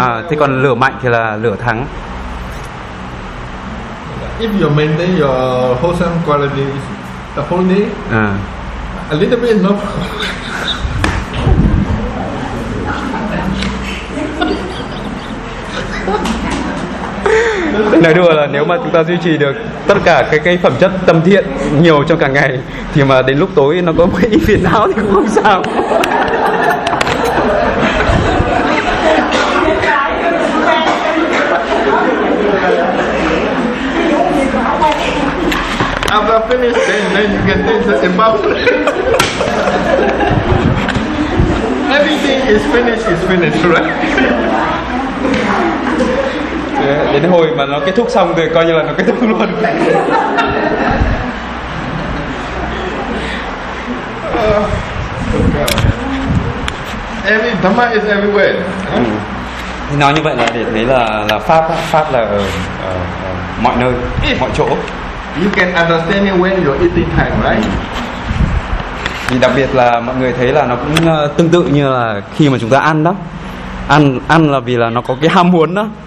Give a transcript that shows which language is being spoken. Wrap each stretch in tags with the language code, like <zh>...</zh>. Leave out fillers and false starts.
<vi>Thế còn lửa mạnh thì là lửa thắng.</vi> <en>If you maintain your wholesome quality the whole day, a little bit no. Ha ha.</en> <vi>Nói đùa là nếu mà chúng ta duy trì được tất cả cái phẩm chất tâm thiện nhiều trong cả ngày thì mà đến lúc tối nó có một ít phiền não thì cũng không sao.</vi> <en>After finish, then you can think that about everything is finished. Is finished, right?</en> <vi>Đến hồi mà nó kết thúc xong thì coi như là nó kết thúc luôn.</vi> <en>Every Dhamma is everywhere.</en> <vi>Thì nói như vậy là để thấy là pháp á, pháp là ở mọi nơi, mọi chỗ.</vi> <en>You can understand it when you're eating time, right?</en> <vi>Thì đặc biệt là mọi người thấy là nó cũng tương tự như là khi mà chúng ta ăn đó. Ăn là vì là nó có cái ham muốn đó.</vi>